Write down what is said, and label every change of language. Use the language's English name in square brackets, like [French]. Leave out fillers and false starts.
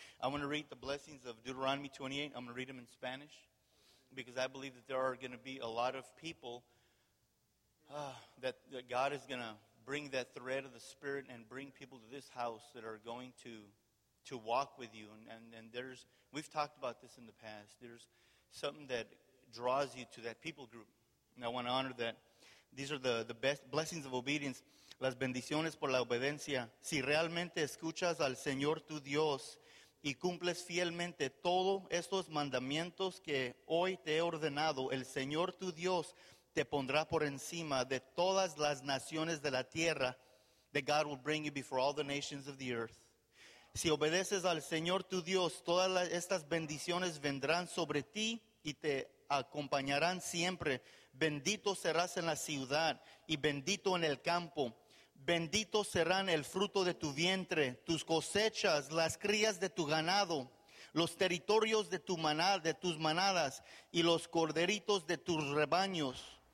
[English] I want to read the blessings of Deuteronomy 28. I'm going to read them in Spanish because I believe that there are going to be a lot of people that God is going to bring that thread of the Spirit and bring people to this house that are going to walk with you. And there's, we've talked about this in the past. There's something that draws you to that people group. And I want to honor that. These are the best blessings of obedience. [Spanish] las bendiciones por la obediencia. Si realmente escuchas al Señor tu Dios y cumples fielmente todos estos mandamientos que hoy te he ordenado, el Señor tu Dios te pondrá por encima de todas las naciones de la tierra. [English] That God will bring you before all the nations of the earth. [Spanish] Si obedeces al Señor tu Dios, todas estas bendiciones vendrán sobre ti y te acompañarán siempre. Bendito serás en la ciudad y bendito en el campo. Bendito serán el fruto de tu vientre, tus cosechas, las crías de tu ganado, los territorios de tu manada, de tus manadas y los corderitos de tus rebaños.